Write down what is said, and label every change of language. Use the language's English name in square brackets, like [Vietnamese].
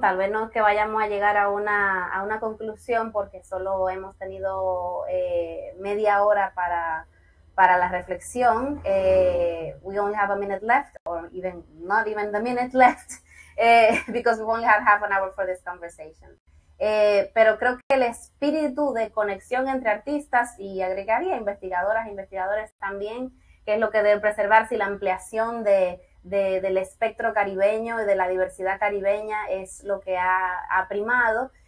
[Spanish] Tal vez no es que vayamos a llegar a una conclusión porque solo hemos tenido media hora para la reflexión. [English] We only have a minute left, or even not even the minute left. Because we only have half an hour for this conversation. [Spanish] Pero creo que el espíritu de conexión entre artistas, y agregaría investigadoras e investigadores también, que es lo que debe preservarse, y la ampliación del espectro caribeño y de la diversidad caribeña es lo que ha primado.